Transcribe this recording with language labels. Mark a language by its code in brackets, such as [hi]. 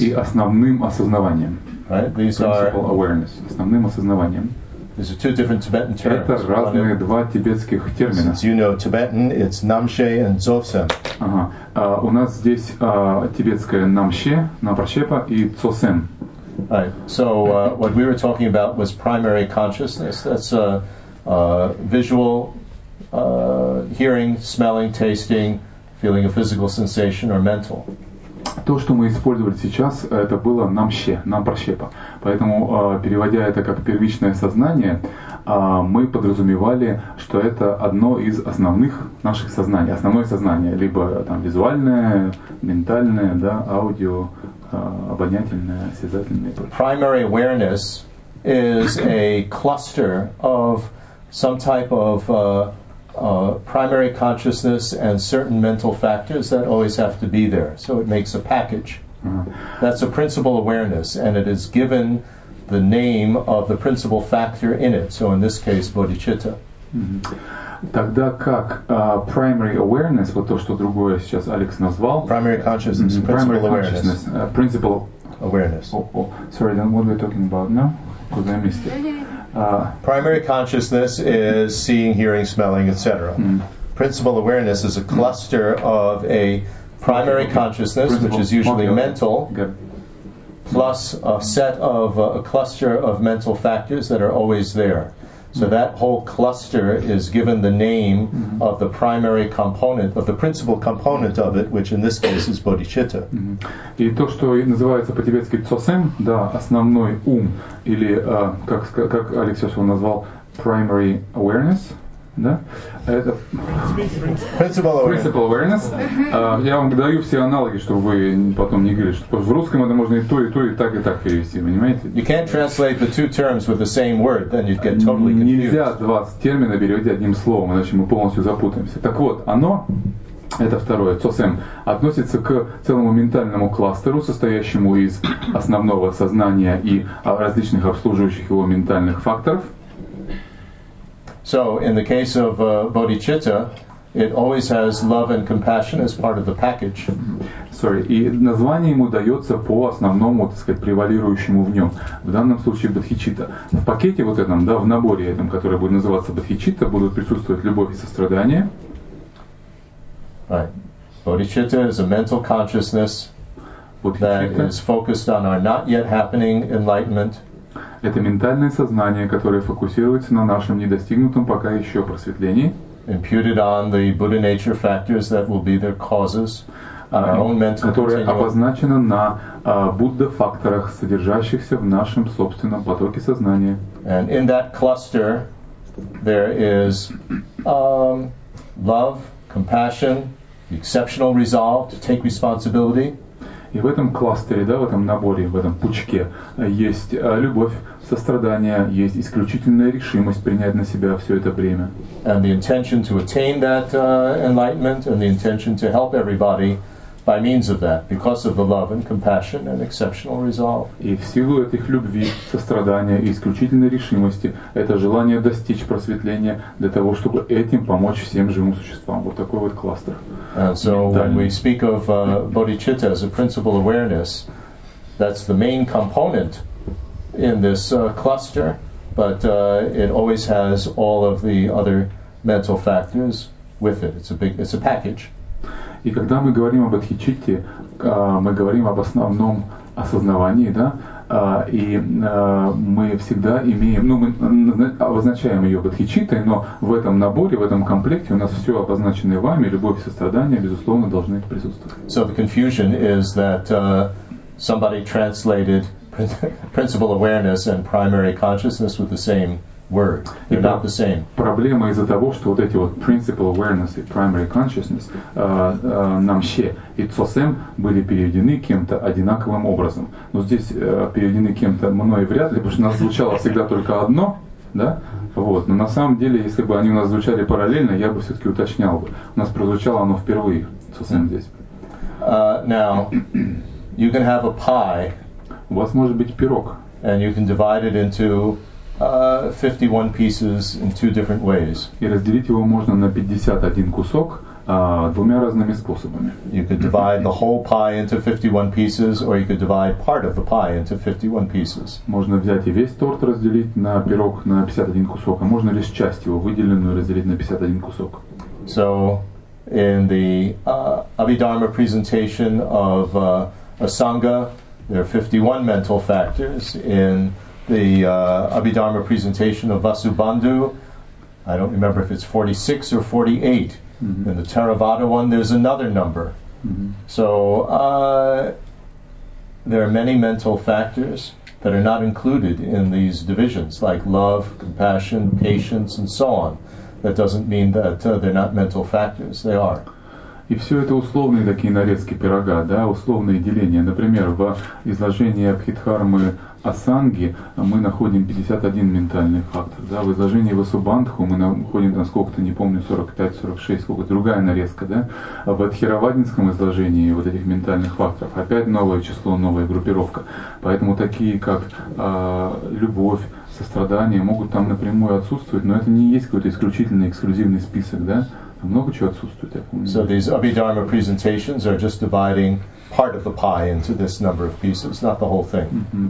[ru] И основным осознаванием. [en] Right? These principal are... Principal awareness. [ru] Основным осознаванием. [en] These are two different Tibetan terms. [ru] Это разные One два тибетских термина. [en] Since you know Tibetan, it's namshe and zosen. [ru] Ага. У нас здесь тибетское namshe, namprachepa, и zosen. [en] Right. So what we were talking about was primary consciousness. That's a visual, hearing, smelling, tasting, feeling a physical sensation or mental. [ru] То, что мы использовали сейчас, это было намще, нампрощепа. Поэтому переводя это как первичное сознание, мы подразумевали, что это одно из основных наших сознаний, основное сознание, либо там визуальное, ментальное, да, аудио. [en] Primary awareness is a cluster of some type of primary consciousness and certain mental factors that always have to be there. So it makes a package. That's a principal awareness, and it is given the name of the principal factor in it. So in this case, bodhicitta. [ru] Тогда как primary awareness, вот то, что другое сейчас Алекс назвал. [en] Primary consciousness, principal awareness. Principal awareness. Sorry, then what are we talking about now? Because I missed it. Primary consciousness is seeing, hearing, smelling, etc. Principal awareness is a cluster of a primary consciousness, which is usually mental, plus a set of a cluster of mental factors that are always there. So that whole cluster is given the name of the primary component, of the principal component of it, which in this case is bodhicitta. [ru] И то, что называется по-тибетски цосэм, да, основной ум, или как Алексей назвал, primary awareness, да? Это [en] principal awareness. [ru] Я вам даю все аналоги, чтобы вы потом не говорили, что в русском это можно и так перевести, понимаете? [en] You can't translate the two terms with the same word, then you'd get totally confused. [ru] Нельзя два термина переводить одним словом, иначе мы полностью запутаемся. Так вот, оно, это второе, цосэм, относится к целому ментальному кластеру, состоящему из основного сознания и различных обслуживающих его ментальных факторов. [en] So, in the case of bodhicitta, it always has love and compassion as part of the package. Sorry, [ru] и название ему дается по основному, так сказать, превалирующему в нем. В данном случае бодхичитта. В пакете вот этом, да, в наборе этом, который будет называться бодхичитта, будут присутствовать любовь и сострадание. [en] Right. Bodhicitta is a mental consciousness that is focused on our not yet happening enlightenment. [ru] Это ментальное сознание, которое фокусируется на нашем недостигнутом пока еще просветлении. [en] Imputed on the Buddha nature factors that will be their causes, our own mental continuum. [ru] Которое обозначено на Будда факторах, содержащихся в нашем собственном потоке сознания. [en] And in that cluster, there is love, compassion, exceptional resolve to take responsibility. [ru] И в этом кластере, да, в этом наборе, в этом пучке есть любовь, сострадание, есть исключительная решимость принять на себя все это бремя. [en] And the intention to attain that enlightenment and the intention to help everybody by means of that, because of the love and compassion and exceptional resolve. [ru] И в силу этих любви, сострадания и исключительной решимости, это желание достичь просветления для того, чтобы этим помочь всем живым существам. Вот такой вот кластер. [en] And so when we speak of bodhicitta as a principal awareness, that's the main component in this cluster, but it always has all of the other mental factors with it. It's a package. [ru] И когда мы говорим об бодхичитте, мы говорим об основном осознавании, да, и мы всегда имеем, ну, мы обозначаем ее бодхичиттой, но в этом наборе, в этом комплекте у нас все обозначенное вами, любовь и сострадание, безусловно, должны присутствовать. [en] So the confusion is that somebody translated principle awareness and primary consciousness with the same word. They're not the same. [ru] Проблема из-за того, что вот эти вот principle awareness и primary consciousness намще и цосем были переведены кем-то одинаковым образом. Но здесь переведены кем-то мной вряд ли, потому что у нас звучало всегда только одно, да? Вот. Но на самом деле, если бы они у нас звучали параллельно, я бы все-таки уточнял бы. У нас прозвучало оно впервые, цосем здесь. [en] Now, you can have a pie. [ru] У вас может быть пирог. [en] And you can divide it into 51 pieces in two different ways. [ru] И разделить его можно на 51 кусок двумя разными способами. [en] You could divide the whole pie into 51 pieces, or you could divide part of the pie into 51 pieces. [ru] Можно взять и весь торт разделить на пирог на 51 кусок, а можно лишь часть его выделенную разделить на 51 кусок. [en] So, in the Abhidharma presentation of a sangha, there are 51 mental factors. In the Abhidharma presentation of Vasubandhu, I don't remember if it's 46 or 48. Mm-hmm. In the Theravada one, there's another number. Mm-hmm. So there are many mental factors that are not included in these divisions, like love, compassion, patience, and so on. That doesn't mean that they're not mental factors. They are. [ru] И все это условные такие нарезки пирога, да, условные деления. Например, в изложении Абхидхармы Асанги мы находим 51 ментальный фактор, да, в изложении Васубандху мы находим, насколько-то, не помню, 45-46, сколько-то, другая нарезка, да, в Адхиравадинском изложении вот этих ментальных факторов опять новое число, новая группировка. Поэтому такие, как любовь, сострадание могут там напрямую отсутствовать, но это не есть какой-то исключительный, эксклюзивный список, да. Много чего отсутствует, я помню. [en] So these Abhidharma presentations are just dividing part of the pie into this number of pieces, not the whole thing.